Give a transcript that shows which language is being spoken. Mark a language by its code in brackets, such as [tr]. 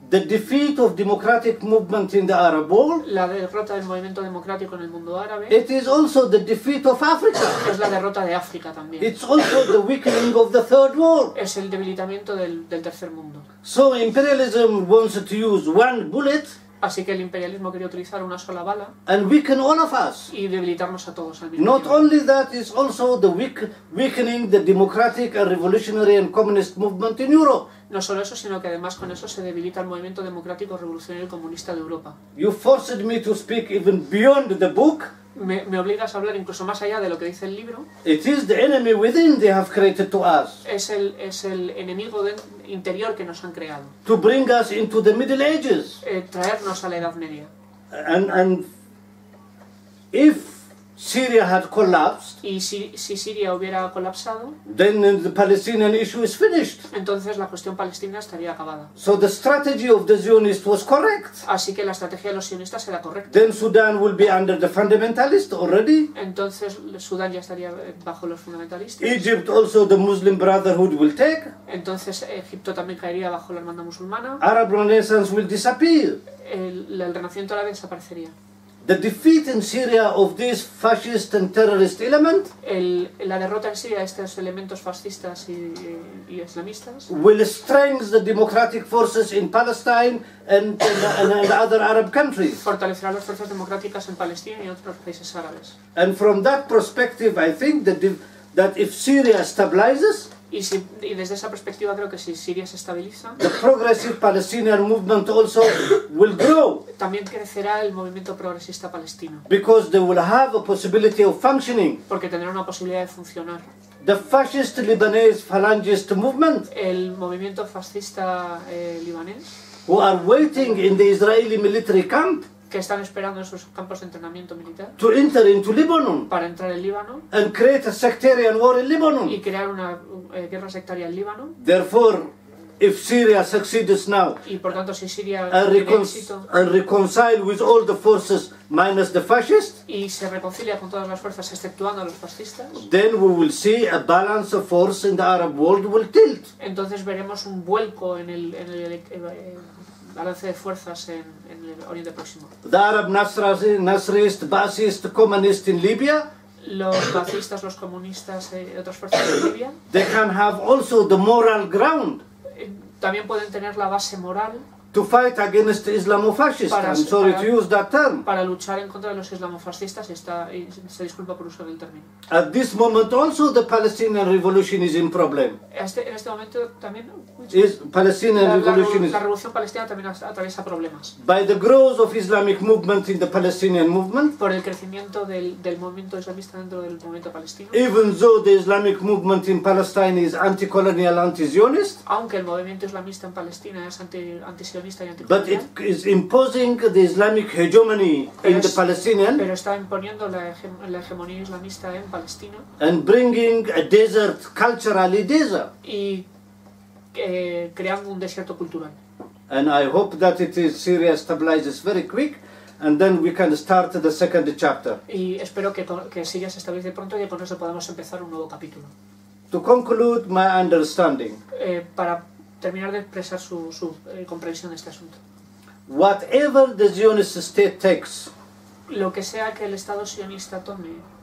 [en] The defeat of democratic movement in the Arab world. [es] La derrota del movimiento democrático en el mundo árabe. [en] It is also the defeat of Africa. [es] Es la derrota de África también. [en] It's also the weakening of the third world. [es] Es el debilitamiento del tercer mundo. [en] So imperialism wants to use one bullet. [es] Así que el imperialismo quería utilizar una sola bala. [en] And weaken all of us. [es] Y debilitarnos a todos al mismo tiempo. [en] Not only that, it's also the weakening the democratic and revolutionary and communist movement in Europe. [es] No solo eso, sino que además con eso se debilita el movimiento democrático, revolucionario y comunista de Europa. [en] You forced me to speak even beyond the book. [es] Me obligas a hablar incluso más allá de lo que dice el libro. [en] It is the enemy within they have created to us. [es] Es el enemigo interior que nos han creado. [en] To bring us into the Middle Ages. [es] Traernos a la Edad Media. [en] And if Syria had collapsed. [es] Y si Siria hubiera colapsado. [en] Then the Palestinian issue is finished. [es] Entonces la cuestión palestina estaría acabada. [en] So the strategy of the Zionists was correct. [es] Así que la estrategia de los sionistas era correcta. [en] Then Sudan will be under the fundamentalists already. [es] Entonces Sudán ya estaría bajo los fundamentalistas. [en] Egypt also the Muslim Brotherhood will take. [es] Entonces Egipto también caería bajo la hermandad musulmana. [en] Arab Renaissance will disappear. [es] El renacimiento árabe desaparecería. [en] The defeat in Syria of this fascist and terrorist element. [es] La derrota en Siria de estos elementos fascistas y islamistas. [en] Will strengthen the democratic forces in Palestine and other Arab countries. [es] Fortalecerá las fuerzas democráticas en Palestina y otros países árabes. [en] And from that perspective, I think that if Syria stabilizes. [es] Y desde esa perspectiva creo que si Siria se estabiliza, [en] the progressive Palestinian movement also will grow. [es] También crecerá el movimiento progresista palestino. [en] Because they will have a possibility of functioning. [es] Porque tendrá una posibilidad de funcionar. [en] The fascist Lebanese phalangist movement. [es] El movimiento fascista libanés. [en] Who are waiting in the Israeli military camp. [es] Que están esperando en sus campos de entrenamiento militar. [en] To enter into Lebanon. [es] Para entrar en Líbano. [en] And create a sectarian war in Lebanon. [es] Y crear una guerra sectaria en Líbano. [en] Therefore, if Syria succeeds now. [es] Y por tanto si Siria [en] and reconcile with all the forces minus the fascists. [es] Y se reconcilia con todas las fuerzas exceptuando a los fascistas. [en] Then we will see a balance of force in the Arab world will tilt. [es] Entonces veremos un vuelco en el balance de fuerzas en el Oriente Próximo. [en] The Arab Nasrist, Basist, Communist in Libya. [es] Los fascistas, los comunistas, otras fuerzas en Libia. [en] They can have also the moral ground. [es] También pueden tener la base moral. [en] To fight against Islamofascists. I'm sorry to use that term. [es] Para luchar en contra de los islamofascistas y se disculpa por usar el término. [en] At this moment also the Palestinian revolution is in problem. [es] En este momento también. [en] Is Palestinian revolution is. [es] La revolución palestina también atraviesa problemas. [en] By the growth of Islamic movement in the Palestinian movement. [es] Por el crecimiento del movimiento islamista dentro del movimiento palestino. [en] Even though the Islamic movement in Palestine is anti-colonial, anti-Zionist. [es] Aunque el movimiento islamista en Palestina es anti-Zionista. [en] But it is imposing the Islamic hegemony in the Palestinian. [es] Pero está imponiendo la hegemonía islamista en Palestina. [en] And bringing a desert, culturally desert. [es] Y creando un desierto cultural. [en] And I hope that it is Syria stabilizes very quick, and then we can start the second chapter. [es] Y espero que Siria se estabilice pronto y con eso podamos empezar un nuevo capítulo. [en] To conclude my understanding. [es] Para terminar de expresar su comprensión de este asunto. [en] Whatever the Zionist state takes, [es] lo que sea que el Estado sionista tome,